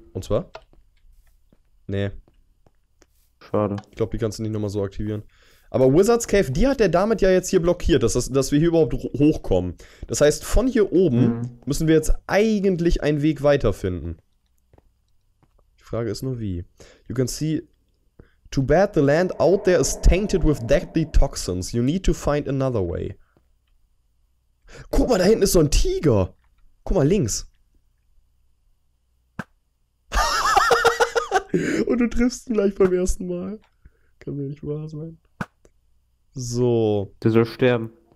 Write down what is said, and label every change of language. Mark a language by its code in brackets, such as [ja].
[de] Und zwar? Nee. Schade. Ich glaube, die kannst du nicht nochmal so aktivieren. Aber Wizard's Cave, die hat der damit ja jetzt hier blockiert, dass wir hier überhaupt hochkommen. Das heißt, von hier oben müssen wir jetzt eigentlich einen Weg weiterfinden. Die Frage ist nur wie. [en] You can see... Too bad the land out there is tainted with deadly toxins. You need to find another way. [de] Guck mal, da hinten ist so ein Tiger. Guck mal, links. Und du triffst ihn gleich beim ersten Mal. Kann mir nicht wahr sein. So. Der soll sterben.